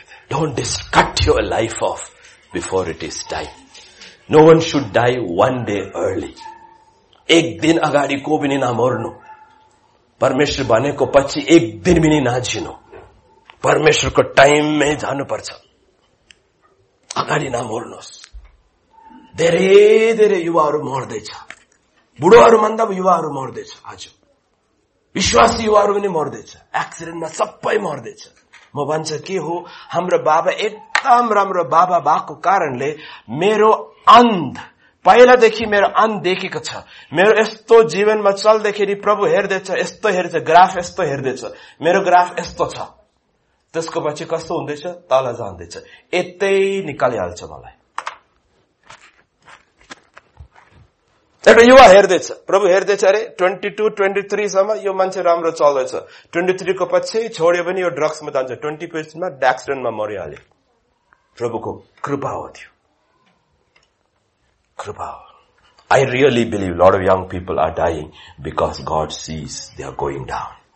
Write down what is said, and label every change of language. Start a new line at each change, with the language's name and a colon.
English: Don't discard your life off before it is time. No one should die one day early.
Nepali: एक दिन अगाडि को पनि नमर्नु. परमेश्वर भनेको पछि एक दिन पनि नझिनु. परमेश्वरको टाइममै जानुपर्छ. अगाडि नमर्नुहोस्. धेरै युवाहरू मर्दैछ, बुढोहरू भन्दा युवाहरू मर्दैछ. आज विश्वासी युवाहरू पनि मर्दैछ एक्सिडेन्टमा, सबै मर्दैछ. म भन्छ के हो, हाम्रो बाबा एकदम राम्रो बाबा भएको कारणले मेरो अन्ध पहिलादेखि मेरो अन्त देखेको छ. मेरो यस्तो जीवनमा चल्दाखेरि प्रभु हेर्दैछ, यस्तो हेर्छ ग्राफ, यस्तो हेर्दैछ मेरो ग्राफ यस्तो छ. त्यसको पछि कस्तो हुँदैछ, तल जाँदैछ, यतै निकालिहाल्छ मलाई. एउटा युवा हेर्दैछ, प्रभु हेर्दैछ, अरे 22-23 यो मान्छे राम्रो चल्दैछ, 23 पछि छोड्यो भने यो ड्रग्समा जान्छ, 25 एक्सिडेन्टमा मरिहाल्यो. प्रभुको कृपा हो त्यो.
English: I really believe a lot of young people are dying because God sees they are going down.